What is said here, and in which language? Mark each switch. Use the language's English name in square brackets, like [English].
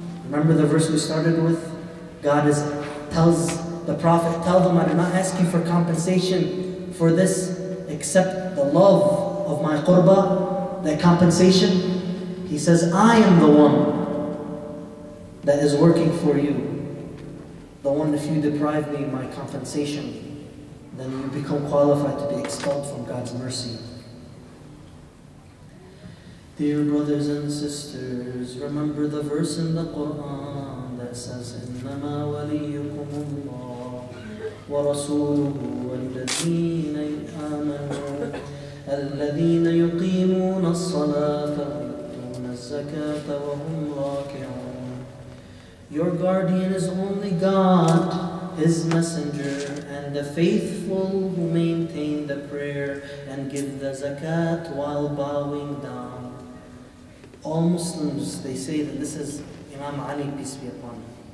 [English] Remember the verse we started with? God tells the Prophet, tell them, I'm not asking for compensation for this except the love of my qurba, that compensation. He says, I am the one that is working for you. The one, if you deprive me my compensation, then you become qualified to be expelled from God's mercy. Dear brothers and sisters, remember the verse in the Quran that says, [Arabic] إِنَّمَا وَلِيُّكُمُ اللَّهُ وَرَسُولُهُ وَالَّذِينَ آمَنُوا الذين يقيمون الصلاة ويؤتون الزكاة وهم راكعون. [English] Your guardian is only God, His messenger, and the faithful who maintain the prayer and give the zakat while bowing down. All Muslims, they say that this is Imam Ali, peace be upon him.